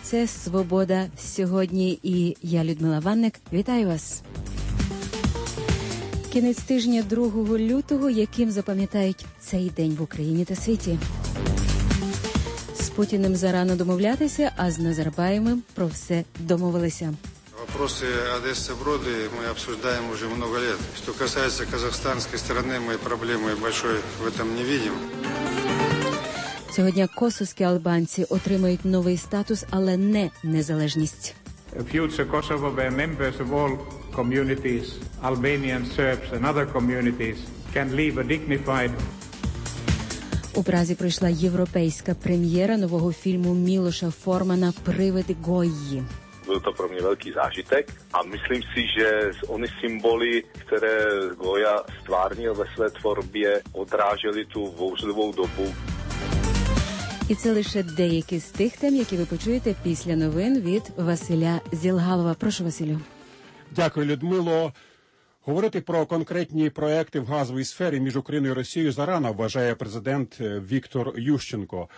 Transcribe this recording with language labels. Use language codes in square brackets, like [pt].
[uk] Це «Свобода сьогодні». І я, Людмила Ванник, вітаю вас. Кінець тижня 2 лютого, яким запам'ятають цей день в Україні та світі. З Путіним зарано домовлятися, а з Назарбаєвим про все домовилися. [ru] Вопросы Одесса-Броды мы обсуждаем уже много лет. Что касается казахстанской стороны, мы проблемы большой в этом не видим. Сегодня [uk] косовські албанці отримають новий статус, але не незалежність. [en] A future Kosovo where members of all communities, Albanians, Serbs and other communities, can live a dignified. [uk] У Празі пройшла європейська прем'єра нового фільму Мілоша Формана «Привид Гойї». [cs] Byl to pro mě velký zážitek a myslím si, že ony symboly, které Goya stvárnil ve své tvorbě, odrážely tu bouřlivou dobu. [uk] І це лише деякі з тих тем, які ви почуєте після новин від Василя Зілгалова. Прошу, Василю. Дякую, Людмило. Говорити про конкретні проекти в газовій сфері між Україною і Росією зарано, вважає президент Віктор Ющенко.